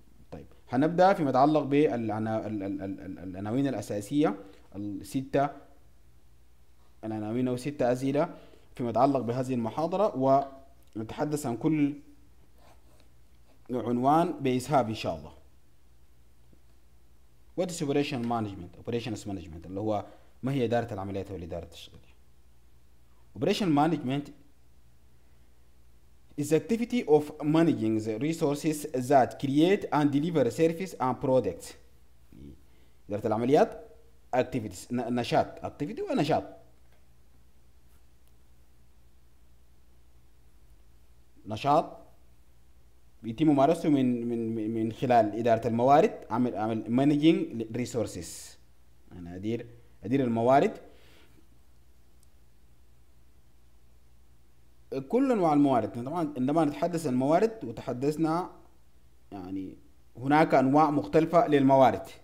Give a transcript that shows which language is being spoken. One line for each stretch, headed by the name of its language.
Arabic: طيب هنبدأ فيما يتعلق بالعناوين الأساسية الستة العناوين أو ستة أسئلة فيما يتعلق بهذه المحاضرة ونتحدث عن كل عنوان بإسهاب إن شاء الله.
English: What is operational management? Operations management
Arabic: اللي هو ما هي إدارة العمليات أو الإدارة التشغيلية.
English: Operational management is the activity of managing the resources that create and deliver service and products.
Arabic: إدارة العمليات activities نشاط activity ونشاط. نشاط يتم ممارسه من من من خلال إدارة الموارد عمل
English: managing resources
Arabic: أنا أدير الموارد كل أنواع الموارد طبعاً عندما نتحدث عن الموارد وتحدثنا يعني هناك أنواع مختلفة للموارد